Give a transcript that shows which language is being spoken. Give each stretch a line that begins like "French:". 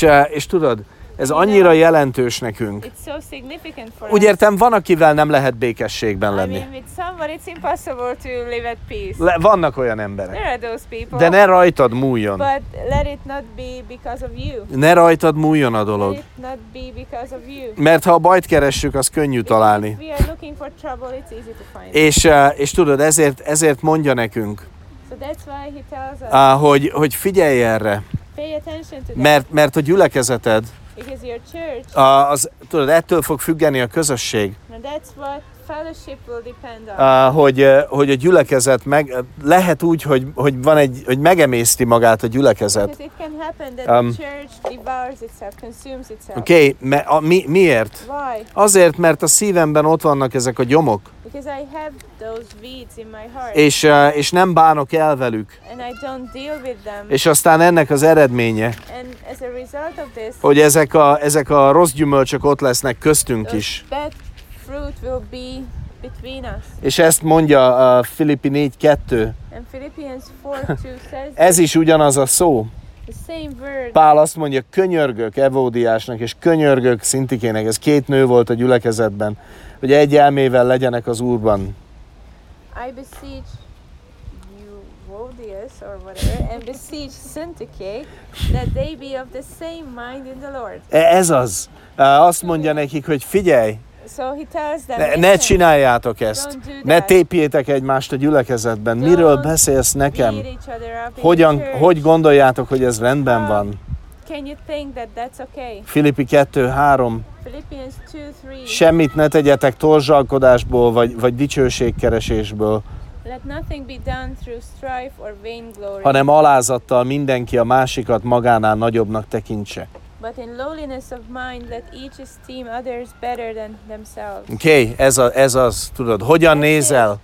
Hungarian: És tudod, ez annyira jelentős nekünk.
English: It's so significant for
Hungarian: úgy értem, van, akivel nem lehet békességben lenni.
English: I mean, with somebody it's impossible to live at peace.
Hungarian: Vannak olyan emberek.
English: There are those people.
Hungarian: De ne rajtad múljon.
English: But let it not be because of you.
Hungarian: Ne rajtad múljon a dolog.
English: Let it not be because of you.
Hungarian: Mert ha a bajt keressük, az könnyű
English: because
Hungarian: találni.
English: If we are looking for trouble, it's easy to find.
Hungarian: És tudod, ezért mondja nekünk,
English: so that's why he tells us,
Hungarian: hogy figyelj erre.
English: Pay attention to that.
Hungarian: Mert a gyülekezeted,
English: because your church,
Hungarian: tudod, ettől fog függeni a közösség.
English: That's what fellowship will depend on.
Hungarian: Hogy a gyülekezet meg lehet úgy, hogy van egy, hogy megemészti magát a gyülekezet.
English: Because it can happen that the church devours itself, consumes itself.
Hungarian: Okay, miért?
English: Why?
Hungarian: Azért, mert a szívemben ott vannak ezek a gyomok.
English: Because I have those weeds in my heart.
Hungarian: És nem bánok el velük.
English: And I don't deal with them.
Hungarian: És aztán ennek az eredménye.
English: And as a result of this.
Hungarian: Hogy ezek a rossz gyümölcsök ott lesznek köztünk is.
English: Bad fruit will be between us.
Hungarian: És ezt mondja a Filippi 4:2.
English: And Philippians 4:2 says.
Hungarian: Ez is ugyanaz a szó.
English: The same word.
Hungarian: Pál azt mondja, könyörgök Evódiásnak és könyörgök Szintikének. Ez két nő volt a gyülekezetben, hogy egy elmével legyenek az Úrban.
English: I beseech you, Evodias, or whatever, and beseech Syntyche, that they be of the same mind in the Lord.
Hungarian: Ez az. Azt mondja nekik, hogy figyelj,
English: so he tells them,
Hungarian: ne csináljátok ezt, ne tépjétek egymást a gyülekezetben, miről beszélsz nekem, hogy gondoljátok, hogy ez rendben van.
English: Can you think that that's okay?
Hungarian: Filippi 2:3.
English: Philippians 2:3.
Hungarian: Semmit ne tegyetek torzsalkodásból vagy dicsőségkeresésből.
English: Let nothing be done through strife or vainglory.
Hungarian: Hanem alázattal mindenki a másikat magánál nagyobbnak tekintse.
English: But in lowliness of mind let each esteem others better than themselves.
Hungarian: Okay, ez az, tudod, hogyan nézel?